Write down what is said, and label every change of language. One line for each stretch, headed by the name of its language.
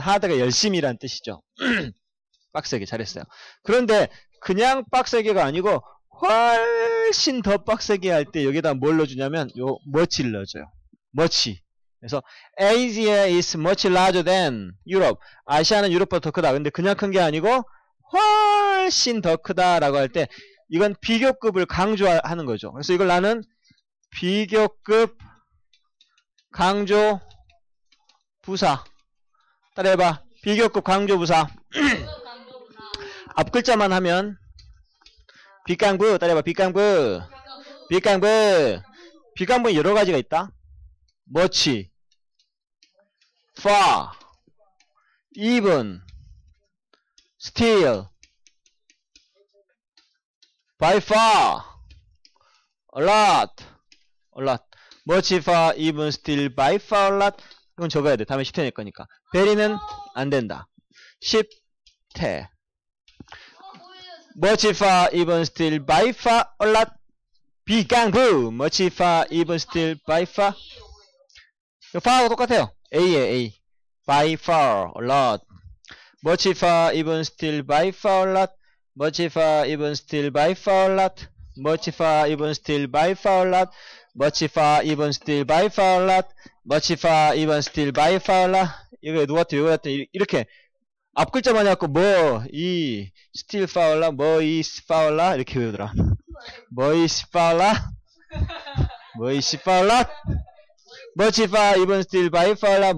Korean: 하드가 열심히란 뜻이죠. 빡세게. 잘했어요. 그런데, 그냥 빡세게가 아니고, 훨씬 더 빡세게 할 때, 여기다 뭘 넣어주냐면, 요, much를 넣어줘요. much. 그래서,
English: Asia is much larger than Europe.
Korean: 아시아는 유럽보다 더 크다. 근데 그냥 큰게 아니고, 훨씬 더 크다라고 할 때, 이건 비교급을 강조하는 거죠. 그래서 이걸 나는, 비교급, 강조, 부사. 따라해봐. 비교급 강조 부사. 앞 글자만 하면, 빗강부. 따라해봐. 빗강부. 빗강부. 빗강부는 여러 가지가 있다.
English: much, far, even, still, by far, a lot. Much, far, even, still, by far, a lot.
Korean: 이건 적어야 돼. 다음에 10회 낼 거니까. 베리는 안 된다. 10회.
English: Much, far, even, still, by far, a lot.
Korean: 비강부.
English: Much, far, even, still, by far.
Korean: 이거 far하고 똑같아요.
English: A에 A. By far, a lot. Much, far, even, still, by far, a lot. Much, far, even, still, by far, a lot. Much far, even still, by far, a lot. Much far, even still, by far, a lot. Much far, even still, by far, a lot.
Korean: 이거 누구한테 외워놨더니 이렇게 앞 글자만 해갖고 뭐이
English: still far, a lot.
Korean: 뭐이
English: far, a lot
Korean: 이렇게 외우더라. 뭐이
English: far, a lot. 뭐이 far, a lot. Much far, even still, by far, a lot.